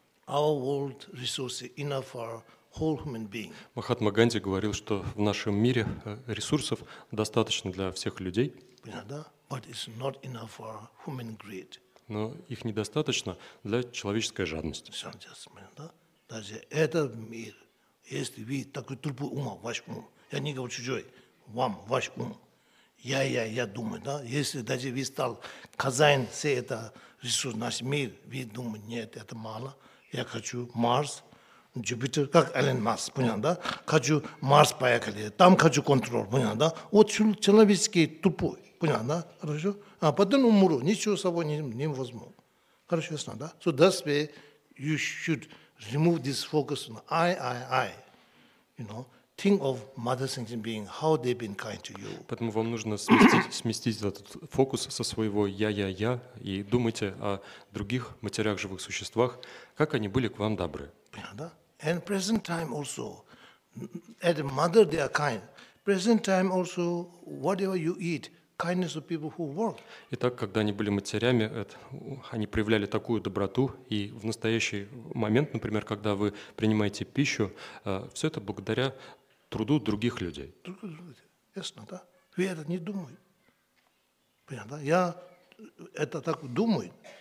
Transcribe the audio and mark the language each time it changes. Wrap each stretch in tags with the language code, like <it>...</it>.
<en>our world resources enough for whole human being.</en> <ru>Махатма Ганди говорил, что в нашем мире ресурсов достаточно для всех людей.</ru> <en>But it's not enough for human greed.</en> <ru>Но их недостаточно для человеческой жадности. Даже этот мир, если вы такой тупой ум, ваш ум, я не говорю чужой, вам, ваш ум, я думаю, да, если даже вы стал хозяин все это ресурс, наш мир, вы думаете, нет, это мало, я хочу Марс, Юпитер, как Элон Маск, понятно, да, хочу Марс поехали, там хочу контроль, понятно, да, вот человеческий тупой, понятно, да, хорошо, а потом умру, ничего с собой не возьму, хорошо, ясно, да,</ru> <en>so that's where you should remove this focus on I, you know, think of mother sentient being, how they've been kind to you.</en> <ru>Поэтому вам нужно сместить этот фокус со своего я и думайте о других матерях живых существах, как они были к вам добры. Понятно?</ru> <en>And present time also, at mother they are kind. Present time also, whatever you eat, kindness of people who work.</en> <ru>Итак, когда они были матерями, они проявляли такую доброту, и в настоящий момент, например, когда вы принимаете пищу, все это благодаря труду других людей. Ясно, да? Вы это не думаете. Понятно, да? Я это так думаю.</ru>